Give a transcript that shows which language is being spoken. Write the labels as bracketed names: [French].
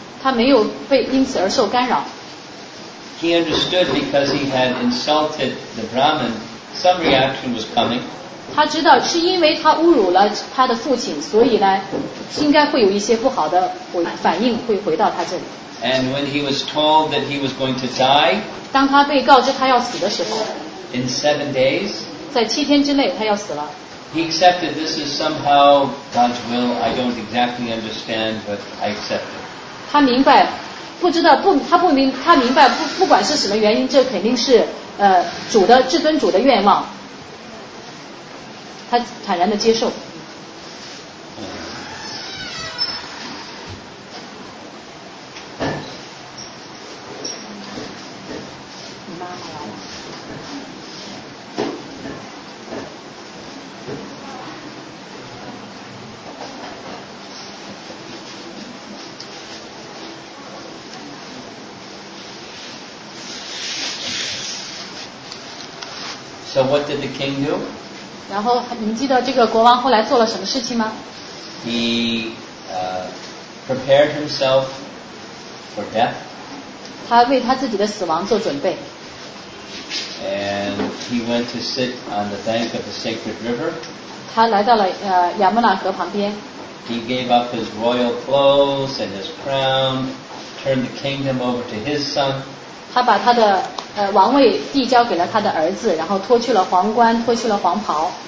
[Chinese] 他没有被因此而受干扰。 [English] He understood because he had insulted the Brahmin, some reaction was coming. [Chinese] 他知道是因为他侮辱了他的父亲，所以呢，应该会有一些不好的反应会回到他这里。 [English] And when he was told that he was going to die, [Chinese] 当他被告知他要死的时候， [English] in 7 days, [Chinese] 在七天之内他要死了。 [English] He accepted this is somehow God's will. I don't exactly understand, but I accept it. [Chinese] 他明白，不知道不，他不明，他明白不，不管是什么原因，这肯定是主的至尊主的愿望。他坦然的接受。 [English] So what did the king do? [Chinese] 然后你们记得这个国王后来做了什么事情吗？ [English] He prepared himself for death. [Chinese] 他为他自己的死亡做准备。 [English] And he went to sit on the bank of the sacred river. [Chinese] 他来到了亚摩拿河旁边。 [English] He gave up his royal clothes and his crown, turned the kingdom over to his son. [Chinese] 他把他的王位递交给了他的儿子，然后脱去了皇冠，脱去了黄袍。